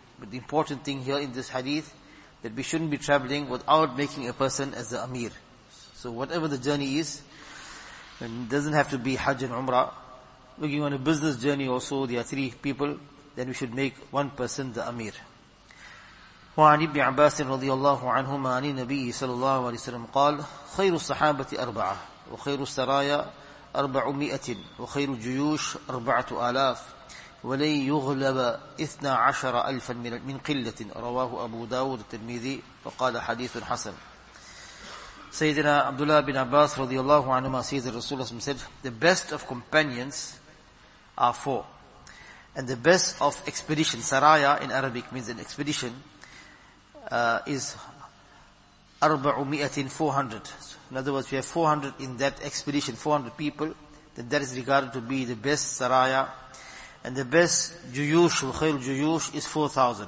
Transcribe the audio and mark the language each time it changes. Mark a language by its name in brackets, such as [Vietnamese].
[English] But the important thing here in this hadith, that we shouldn't be traveling without making a person as the Amir. So whatever the journey is, and it doesn't have to be Hajj and Umrah, looking on a business journey also, there are three people, then we should make one person the Amir. [Arabic] وعن ابن عباس رضي الله عنهما عن النبي صلى الله عليه وسلم قال خير الصحابة أربعة وخير السرايا 400 وخير الجيوش 4000 ولن يغلب 12000 من قلة رواه أبو داود الترمذي وقال حديث حسن. سيدنا عبد الله بن عباس رضي الله عنهما سيد الرسول صلى الله عليه وسلم [English] said, the best of companions are four. And the best of expedition, saraya in Arabic means an expedition, is 400. So in other words, we have 400 in that expedition, 400 people, then that is regarded to be the best saraya. And the best juyush, khair juyush, is 4,000.